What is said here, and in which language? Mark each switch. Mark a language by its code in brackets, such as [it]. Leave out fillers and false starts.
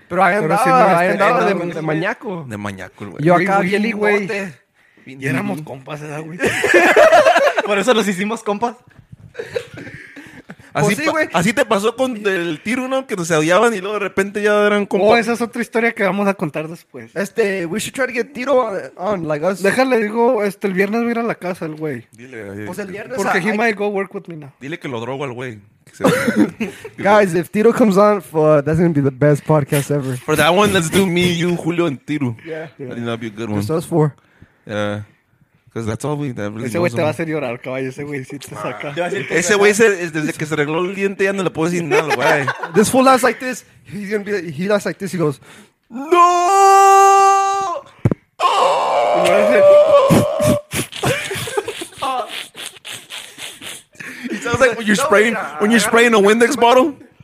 [es] Pero ahí andaba de mañaco. De mañaco, güey. Yo acá bien güey. Y éramos compas, ¿eh, güey? Por eso los hicimos compas. Así, pues sí, así te pasó con el tiro, ¿no? Que se odiaban y luego de repente ya eran como. Oh, esa es otra historia que vamos a contar después. [en] Este, we should try to get tiro on like us. [es] Déjale, digo, el viernes voy a ir a la casa, el güey. Dile. Pues el viernes. [en] Porque he might go work with me now. [es] Dile que lo drogo al güey. [en] Guys, if Tiro comes on, that's going to be the best podcast ever. For that one, let's do me, you, Julio, and Tiro. Yeah. I think that'd be a good one. Just us four. Yeah. Because that's all we that really [es] ese güey te va a hacer llorar, caballo. Ese güey sí te saca. Ese güey, desde que se arregló el diente, ya no le puedo decir nada, güey. [en] This fool acts like this. He's gonna be, he acts like this. He goes, no. Oh! It sounds like when you're spraying a Windex bottle.